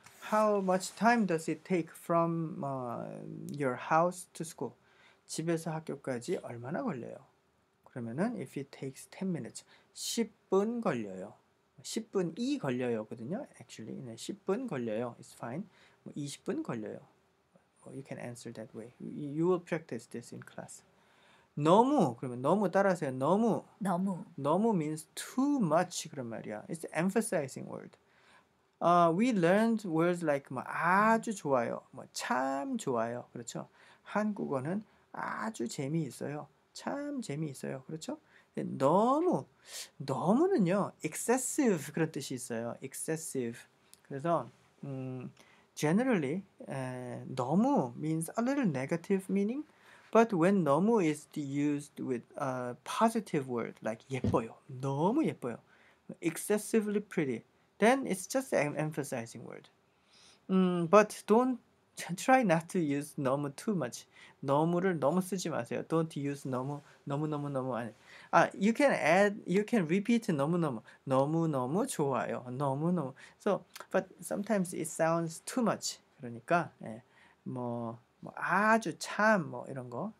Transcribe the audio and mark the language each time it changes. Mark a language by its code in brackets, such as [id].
[en] How much time does it take from your house to school? [ko] 집에서 학교까지 얼마나 걸려요? 그러면은 [en] if it takes 10 minutes, [ko] 10분 걸려요. 10분이 걸려요거든요. [en] Actually, [ko] 네, 10분 걸려요. [en] It's fine. [ko] 뭐 20분 걸려요. [en] You can answer that way. You will practice this in class. [ko] 너무, 그러면 너무 따라하세요. 너무. 너무. [en] 너무 means too much, [ko] 그런 말이야. [en] It's an emphasizing word. We learned words like [ko] 뭐 아주 좋아요, 뭐 참 좋아요, [en] 그렇죠? [ko] 한국어는 아주 재미있어요, 참 재미있어요, 그렇죠? 너무, 너무는요, excessive 그런 뜻이 있어요. Excessive. 그래서 [en] generally, 너무 means a little negative meaning. But when 너무 is used with a positive word, like 예뻐요, [ko] 너무 예뻐요, [en] excessively pretty, then it's just an emphasizing word. But don't try not to use 너무 too much. [ko] 너무를 너무 쓰지 마세요. [en] Don't use 너무 아니. You can repeat 너무너무. [ko] 너무너무 좋아요. 너무너무. [en] So, but sometimes it sounds too much. [ko] 그러니까, 예, 뭐 아주 참, 뭐 이런 거.